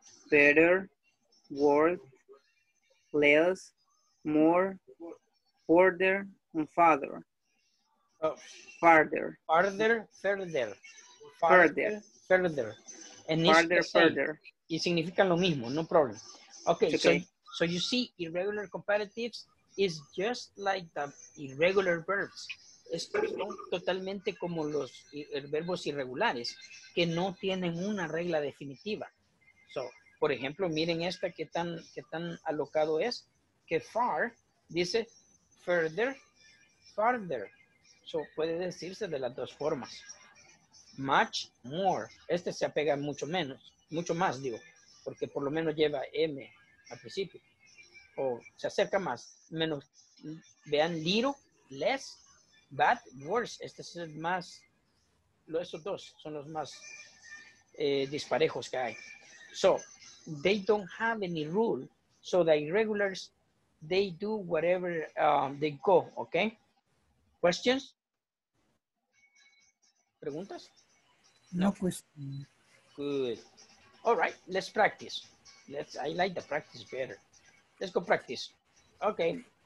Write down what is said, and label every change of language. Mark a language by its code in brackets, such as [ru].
[en] Better, worse, less, more, further, and farther. Farther. Farther, further. Farther, further. And farther, further. [es] Y significan lo mismo, [en] no problem. [es] Okay, okay. [en] So you see irregular comparatives is just like the irregular verbs. [es] Es totalmente como los verbos irregulares que no tienen una regla definitiva. [en] So, [es] por ejemplo, miren esta qué tan alocado es, que far dice further, farther. [en] So, [es] puede decirse de las dos formas. Much more. Este se apega mucho menos, mucho más, digo, porque por lo menos lleva M al principio. O se acerca más, menos, vean, little, less, bad, worse. Este es el más, estos dos son los más disparejos que hay. [en] So, they don't have any rule, so the irregulars, they do whatever they go, okay? Questions? [es] ¿Preguntas? [en] No questions. Good. All right, let's practice. I like the practice better. Let's go practice. Okay.